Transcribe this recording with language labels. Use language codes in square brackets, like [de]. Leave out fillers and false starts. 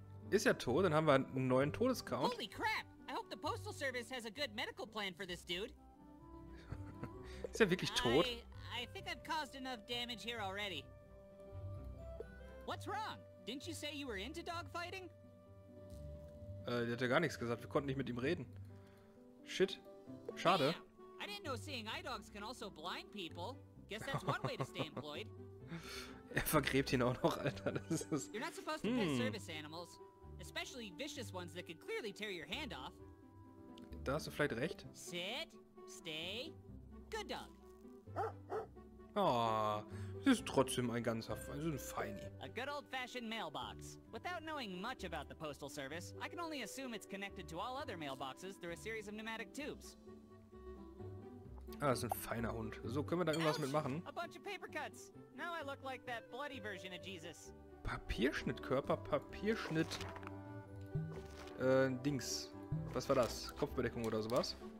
[de] Ist ja tot, dann haben wir einen neuen Todescount. [en] Holy crap! I hope the postal service has a good medical plan for this dude. [de] Ist er wirklich tot? [en] I think I've caused enough damage here already. What's wrong? Didn't you say you were into dogfighting? [de] Der hat ja gar nichts gesagt. Wir konnten nicht mit ihm reden. Shit. Schade. [en] Damn. I didn't know seeing eye dogs can also blind people. Guess that's one way to stay employed. [de] Er vergräbt ihn auch noch, Alter. Das ist [en] You're not supposed to pet service animals, especially vicious ones that could clearly tear your hand off. [de] Da hast du vielleicht recht. [en] Sit, stay, good dog. [de] Oh, das ist trotzdem ein ganz Feini. [en] A good old-fashioned mailbox. Without knowing much about the postal service, I can only assume it's connected to all other mailboxes through a series of pneumatic tubes. [de] Ah, das ist ein feiner Hund. So, können wir da irgendwas mitmachen? [en] A bunch of paper cuts. Now I look like that bloody version of Jesus. [de] Papierschnittkörper, Papierschnitt. Dings. Was war das? Kopfbedeckung oder sowas?